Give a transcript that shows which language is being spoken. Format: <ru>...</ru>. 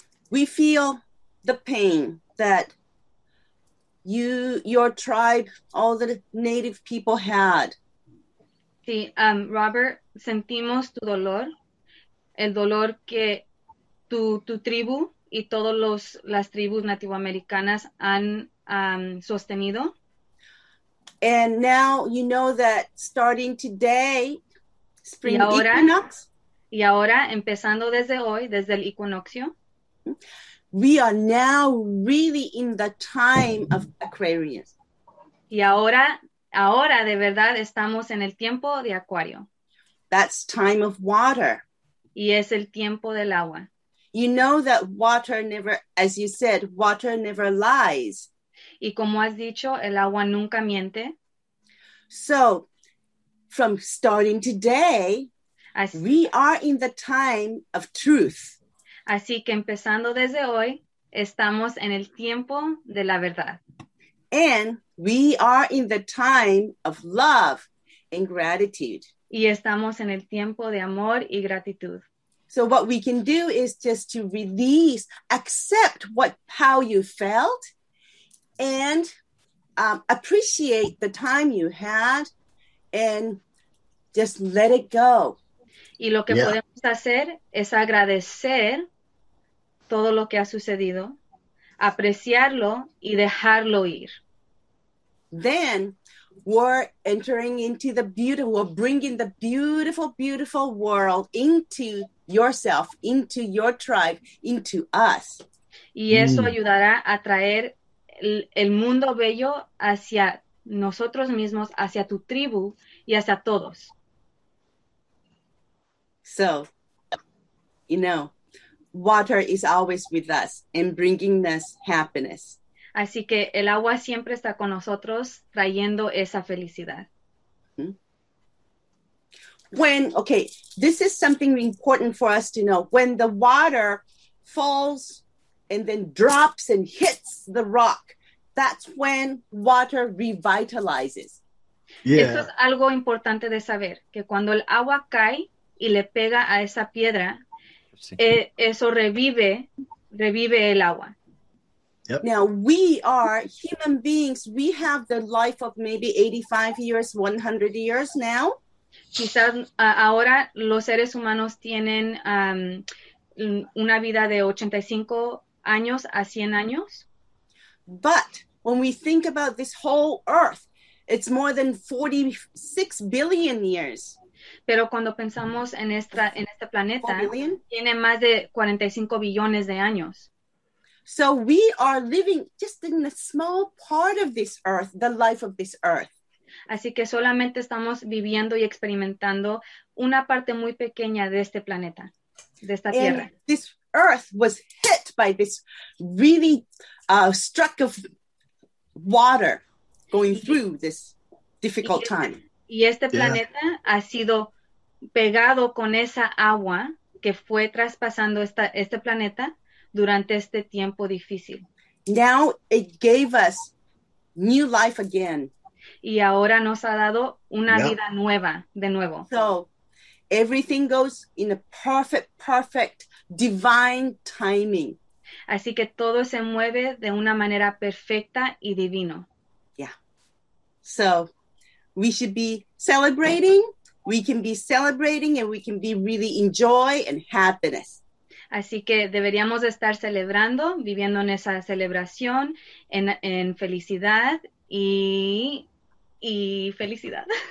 <en>We feel the pain that you, your tribe, all the native people had.</en> <es>Sí, Robert, sentimos tu dolor, el dolor que tu tribu y todos los las tribus nativoamericanas han sostenido.</es> <en>And now you know that starting today, spring equinox.</en> <es>Y ahora, empezando desde hoy, desde el equinoccio,</es> <en>we are now really in the time of Aquarius.</en> <es>Y ahora de verdad estamos en el tiempo de Acuario.</es> <en>That's time of water.</en> <es>Y es el tiempo del agua.</es> <en>You know that water never, as you said, water never lies.</en> <es>Y como has dicho, el agua nunca miente.</es> <en>So, from starting today, we are in the time of truth.</en> <es>Así que empezando desde hoy, estamos en el tiempo de la verdad.</es> <en>And we are in the time of love and gratitude.</en> <es>Y estamos en el tiempo de amor y gratitud.</es> <en>So what we can do is just to release, accept what how you felt, and appreciate the time you had, and just let it go.</en> <es>Y lo que podemos hacer es agradecer todo lo que ha sucedido, apreciarlo y dejarlo ir.</es> <en>Then we're entering into the beautiful, we're bringing the beautiful, beautiful world into yourself, into your tribe, into us.</en> <es>Y eso ayudará a traer el mundo bello hacia nosotros mismos, hacia tu tribu y hacia todos.</es> <en>So, you know, water is always with us and bringing us happiness.</en> <es>Así que el agua siempre está con nosotros trayendo esa felicidad.</es> <en>When, okay, this is something important for us to know. When the water falls and then drops and hits the rock, that's when water revitalizes. Yeah.</en> <es>Eso es algo importante de saber, que cuando el agua cae y le pega a esa piedra, eso revive el agua.</es> <en>Yep. Now, we are human beings. We have the life of maybe 85 years, 100 years now.</en> <es>Quizás ahora los seres humanos tienen una vida de 85 años a 100 años.</es> <en>But when we think about this whole earth, it's more than 46 billion years.</en> <es>Pero cuando pensamos en este planeta, tiene más de 45 billones de años.</es> <en>So we are living just in a small part of this earth, the life of this earth.</en> <es>Así que solamente estamos viviendo y experimentando una parte muy pequeña de este planeta, de esta tierra.</es> <en>And this earth was hit by this really struck of water going through this difficult time.</en> <es>Y este planeta ha sido pegado con esa agua que fue traspasando este planeta durante este tiempo difícil.</es> <en>Now it gave us new life again.</en> <es>Y ahora nos ha dado una vida nueva, de nuevo.</es> <en>So everything goes in a perfect, perfect divine timing.</en> <es>Así que todo se mueve de una manera perfecta y divino.</es> <en>Yeah. So we should be celebrating. We can be celebrating and we can be really in joy and happiness.</en> <es>Así que deberíamos estar celebrando, viviendo en esa celebración, en felicidad y felicidad.</es>